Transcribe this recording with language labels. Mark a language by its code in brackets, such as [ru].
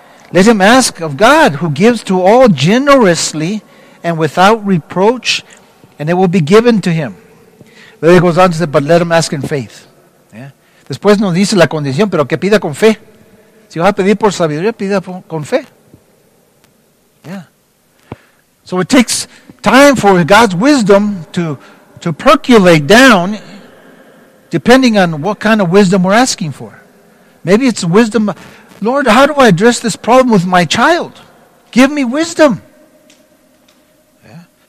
[en] Let him ask of God, who gives to all generously and without reproach, and it will be given to him. Then he goes on to say, but let him ask in faith. Yeah. [es] Después nos dice la condición, pero que pida con fe. Si va a pedir por sabiduría, pida con fe. [en] Yeah. So it takes time for God's wisdom to percolate down, depending on what kind of wisdom we're asking for. Maybe it's wisdom. Lord, how do I address this problem with my child? Give me wisdom. Yeah.